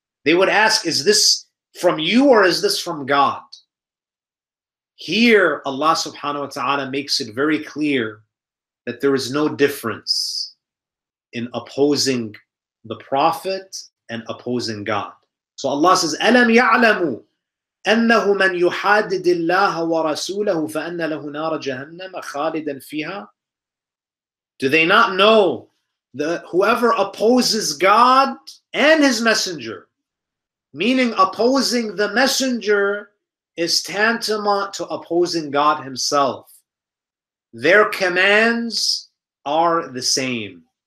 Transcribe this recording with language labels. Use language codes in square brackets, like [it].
[en] They would ask, is this from you or is this from God? Here, Allah subhanahu wa ta'ala makes it very clear that there is no difference in opposing the Prophet and opposing God. So Allah says, [ar] أَلَمْ يَعْلَمُوا أَنَّهُ مَنْ يُحَادِدِ اللَّهَ وَرَسُولَهُ فَأَنَّ لَهُ نَارَ جَهَنَّمَ خَالِدًا فِيهَا. [en] Do they not know that whoever opposes God and His Messenger, meaning opposing the Messenger, is tantamount to opposing God Himself. Their commands are the same.